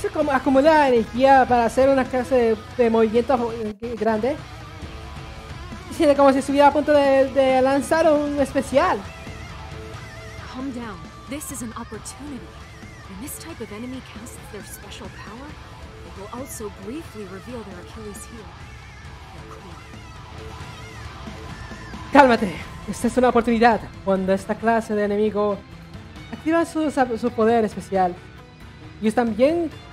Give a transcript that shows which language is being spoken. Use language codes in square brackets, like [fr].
[es] ¿Acumula energía para hacer una clase de movimiento grande? Siente como si estuviera a punto de lanzar un especial. [en] Calm down. This is an opportunity. When this type of enemy casts their special power, it will also briefly reveal their Achilles heel. [es] Cálmate. Esta es una oportunidad. Cuando esta clase de enemigo activa su poder especial, y están bien.